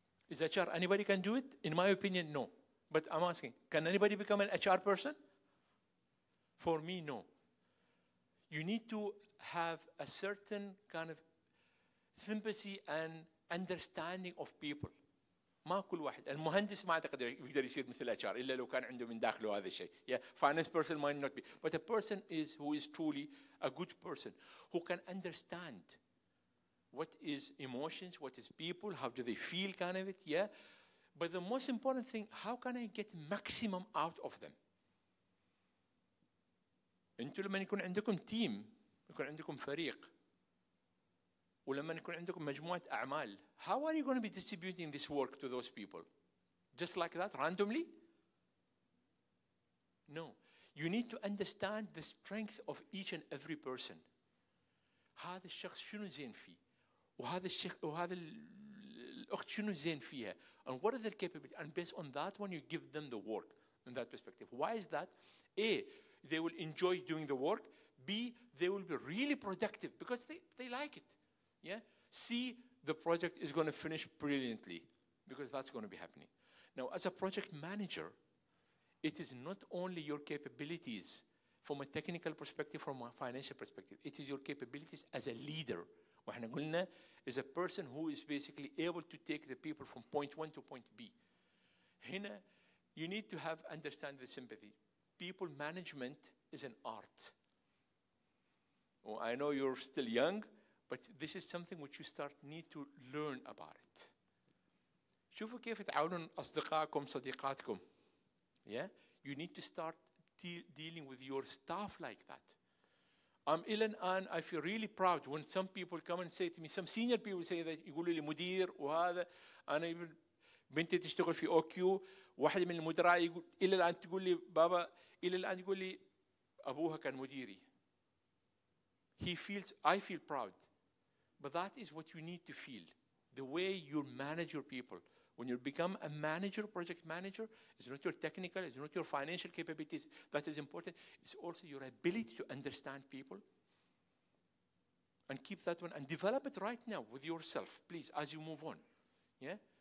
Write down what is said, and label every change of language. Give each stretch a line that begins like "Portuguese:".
English: Is HR anybody can do it? In my opinion, no. But I'm asking, can anybody become an HR person? For me, no. You need to have a certain kind of sympathy and understanding of people.
Arabic: ما كل واحد. المهندس ما أعتقد يقدر يصير مثل HR إلا لو كان عنده من داخله هذا الشيء.
English: Yeah, finance person might not be. But a person is who is truly a good person who can understand what is emotions, what is people, how do they feel kind of it. Yeah. But the most important thing, how can I get maximum out of them?
Arabic: انتوا لما يكون عندكم تيم يكون عندكم فريق ولما يكون عندكم مجموعة أعمال,
English: how are you going to be distributing this work to those people? Just like that, randomly? No. You need to understand the strength of each and every person.
Arabic: هذا الشخص شنو زين فيه؟ وهذا الشخص وهذا الأخت شنو زين فيها؟
English: And what are their capabilities? And based on that one, you give them the work in that perspective. Why is that? A, they will enjoy doing the work. B, they will be really productive because they like it. Yeah. C, the project is going to finish brilliantly because that's going to be happening. Now, as a project manager, it is not only your capabilities from a technical perspective, from a financial perspective. It is your capabilities as a leader.
Arabic: واحنا قلنا
English: is a person who is basically able to take the people from point one to point B.
Arabic: هنا
English: you need to have understand the sympathy. People management is an art. Well, I know you're still young, but this is something which you start need to learn about it.
Arabic: شوفوا كيف تعاونون أصدقائكم صديقاتكم.
English: Yeah, you need to start dealing with your staff like that. I'm ill and I feel really proud when some people come and say to me, some senior people say that,
Arabic: يقولوا لي مدير وهذا, أنا بنتي تشتغل في OQ, واحد من المدراء يقول إلى الآن تقول لي بابا, إلى الآن تقول لي أبوها كان مديري.
English: He feels, I feel proud. But that is what you need to feel, the way you manage your people. When you become a manager, project manager, it's not your technical, it's not your financial capabilities that is important. It's also your ability to understand people and keep that one and develop it right now with yourself, please, as you move on. Yeah?